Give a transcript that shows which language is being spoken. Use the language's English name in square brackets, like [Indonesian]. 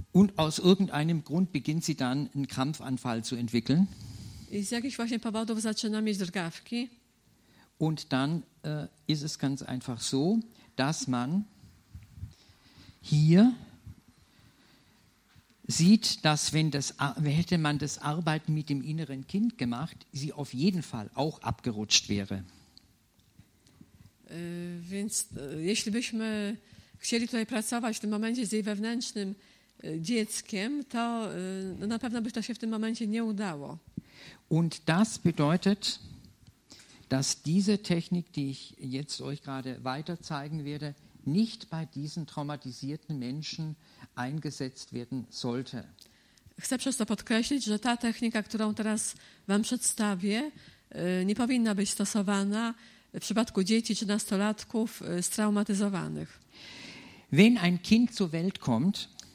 [German] Und aus irgendeinem Grund beginnt sie dann einen Krampfanfall zu entwickeln. [Polish] I z jakichś właśnie powodów zaczyna mieć drgawki. [German] Und dann ist es ganz einfach so, dass man hier sieht, dass wenn das, hätte man das Arbeiten mit dem inneren Kind gemacht, sie auf jeden Fall auch abgerutscht wäre. [Polish] Więc jeśli byśmy chcieli tutaj pracować w tym momencie z jej wewnętrznym dzieckiem, to na pewno by to się w tym momencie nie udało. [German] Und das bedeutet, dass diese Technik, die ich jetzt euch gerade weiter zeigen werde, nicht bei diesen traumatisierten Menschen eingesetzt werden sollte. [Polish] Chcę przez to podkreślić, że ta technika, którą teraz wam przedstawię, nie powinna być stosowana w przypadku dzieci czy nastolatków straumatyzowanych. [German] Wenn ein Kind zur Welt kommt,